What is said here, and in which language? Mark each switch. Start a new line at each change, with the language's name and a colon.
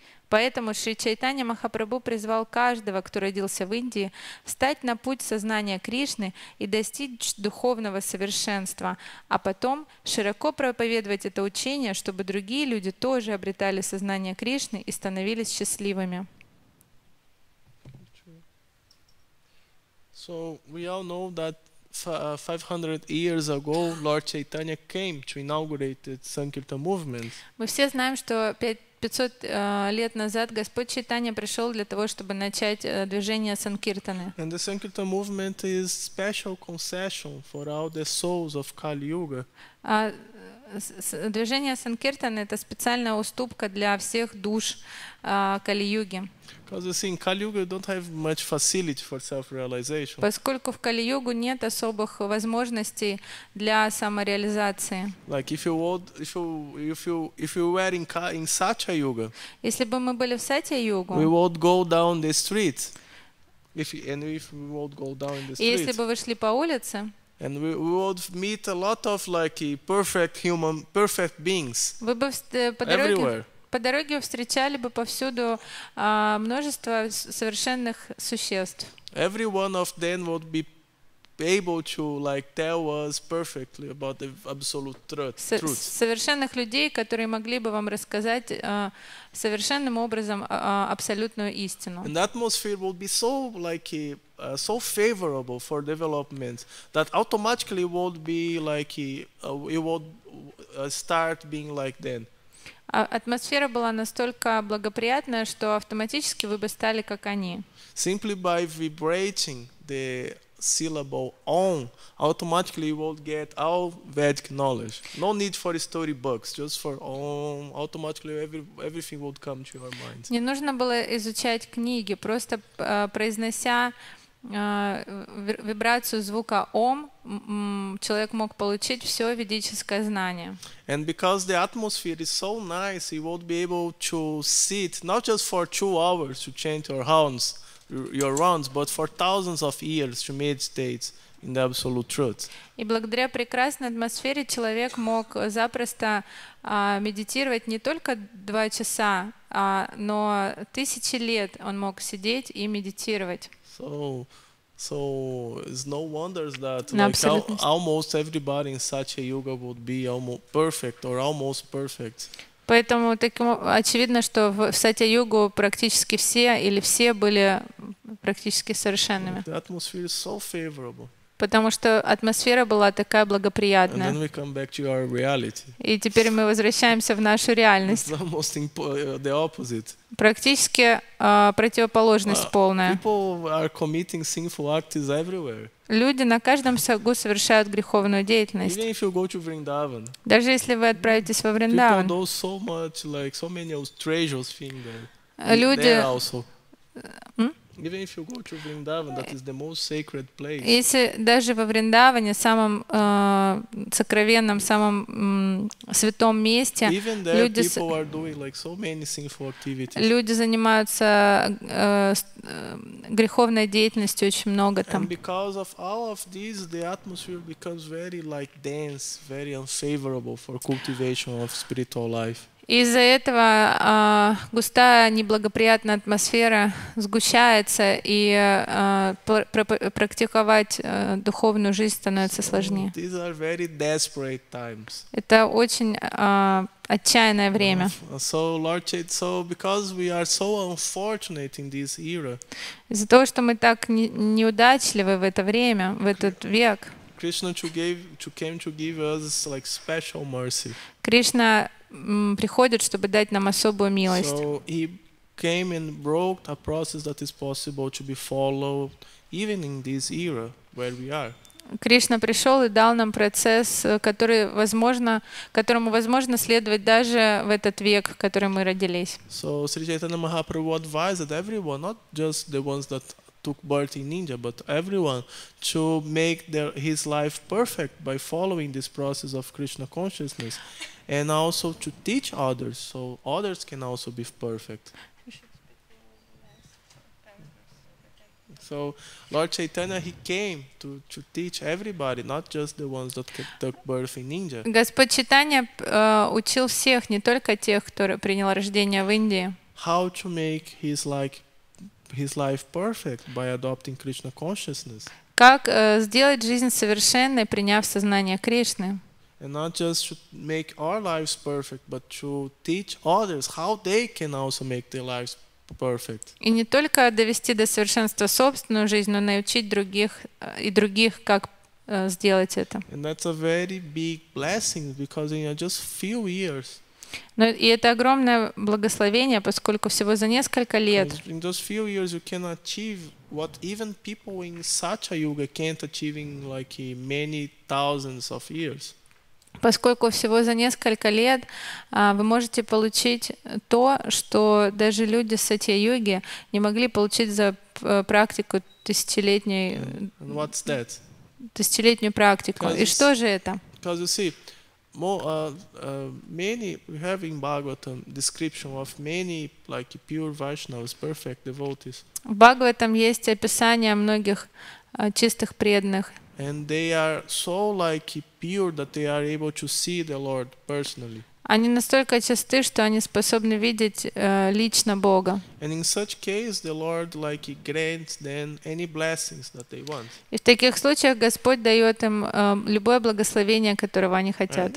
Russian: Поэтому Шри Чайтанья Махапрабху призвал каждого, кто родился в Индии, встать на путь сознания Кришны и достичь духовного совершенства, а потом широко проповедовать это учение, чтобы другие люди тоже обретали сознание Кришны и становились счастливыми.
English: So we all know that 500 years ago Lord Chaitanya came to inaugurate the Sankirta movement.
Russian: Мы все знаем, что 500 лет назад Господь Чайтанья пришел для того, чтобы начать движение Санкиртаны.
English: And the Sankirtan movement is special concession for all the souls of Kali Yuga.
Russian: Движение Санкиртаны – это специальная уступка для всех душ Кали Юги.
English: Because in Kali Yuga you don't have much facility for self-realization.
Russian: Поскольку в Кали Югу нет особых возможностей для самореализации.
English: Like if you were in Satya Yuga.
Russian: Если бы мы были в Сатья Югу.
English: We would go down the street. If we would go down the street.
Russian: И если бы вы шли по улице.
English: And we would meet a lot of like perfect human, perfect beings.
Russian: Вы бы по дороге.
English: Everywhere.
Russian: По дороге встречали бы повсюду множество совершенных существ.
English: Every one of them would be able to like tell us perfectly about the absolute truth.
Russian: Совершенных людей, которые могли бы вам рассказать совершенным образом абсолютную истину.
English: And atmosphere would be so like so favorable for development that automatically would be like it would start being like then.
Russian: Атмосфера была настолько благоприятная, что автоматически вы бы стали как они.
English: Simply by vibrating the syllable on, automatically you will get all Vedic knowledge. No need for story books, just for on, automatically everything would come to your mind.
Russian: Не нужно было изучать книги, просто произнося вибрацию звука ОМ, человек мог получить все ведическое знание.
English: And because the atmosphere is so nice, he would be able to sit not just for 2 hours to chant your rounds, but for thousands of years to meditate in the absolute truth.
Russian: И благодаря прекрасной атмосфере человек мог запросто медитировать не только 2 часа, но 1000 лет он мог сидеть и медитировать.
English: So it's no wonders that like almost everybody in Satya Yuga would be almost perfect or almost perfect.
Russian: Поэтому очевидно, что в Сатья Югу практически все или все были практически совершенными.
English: The atmosphere is so favorable.
Russian: Потому что атмосфера была такая благоприятная.
English: And then we come back to our reality.
Russian: И теперь мы возвращаемся в нашу реальность.
English: It's almost the opposite.
Russian: Практически противоположность полная.
English: People are committing sinful acts everywhere.
Russian: Люди на каждом шагу совершают греховную деятельность.
English: Even if you go to Vrindavan.
Russian: Даже если вы отправитесь во Вриндаван.
English: People know so much, like so many treasures things there.
Russian: Люди
English: Even if you go to Vrindavan, that is the most sacred place.
Russian: Если даже во Вриндаване, самом сокровенном, самом святом месте, люди,
English: people are doing like so many sinful activities.
Russian: Люди занимаются греховной деятельностью очень много там.
English: And because of all of this, the atmosphere becomes very like dense, very unfavorable for cultivation of spiritual life.
Russian: Из-за этого густая неблагоприятная атмосфера сгущается, и практиковать духовную жизнь становится сложнее.
English: These are very desperate times.
Russian: Это очень отчаянное время.
English: So, Lord Chaitanya, so because we are so unfortunate in this era.
Russian: Из-за того, что мы так неудачливы в это время, в этот век.
English: Krishna came to give us like special mercy.
Russian: Кришна приходит, чтобы дать нам особую милость.
English: So he came and broke a process that is possible to be followed even in this era where we are.
Russian: Кришна пришел и дал нам процесс, который возможно, которому возможно следовать даже в этот век, в котором мы родились.
English: So Sri Chaitanya Mahaprabhu advised that everyone, not just the ones that took birth in India, but everyone, to make his life perfect by following this process of Krishna consciousness, and also to teach others, so others can also be perfect. So Lord Chaitanya, he came to teach everybody, not just the ones that took birth in India.
Russian: Господь Чайтанья учил всех, не только тех, кто принял рождение в Индии.
English: How to make his life perfect by adopting Krishna consciousness.
Russian: Как сделать жизнь совершенной, приняв сознание Кришны?
English: And not just to make our lives perfect, but to teach others how they can also make their lives perfect.
Russian: И не только довести до совершенства собственную жизнь, но научить других и других, как сделать это.
English: And that's a very big blessing because in just few years.
Russian: Но и это огромное благословение, поскольку всего за несколько лет.
English: In those few years you can achieve what even people in Satcha Yuga can't achieve in like many thousands of years.
Russian: Поскольку всего за несколько лет вы можете получить то, что даже люди Сатья Юги не могли получить за практику тысячелетней.
English: And what's that?
Russian: Тысячелетнюю практику. И что же это?
English: Because you see, many we have in Bhagavatam description of many like pure Vaishnavas, perfect devotees.
Russian: В Бхагаватам есть описание многих чистых преданных.
English: And they are so like pure that they are able to see the Lord personally.
Russian: Они настолько чисты, что они способны видеть лично Бога.
English: And in such case, the Lord like grants them any blessings that they want.
Russian: И в таких случаях Господь дает им любое благословение, которого они хотят.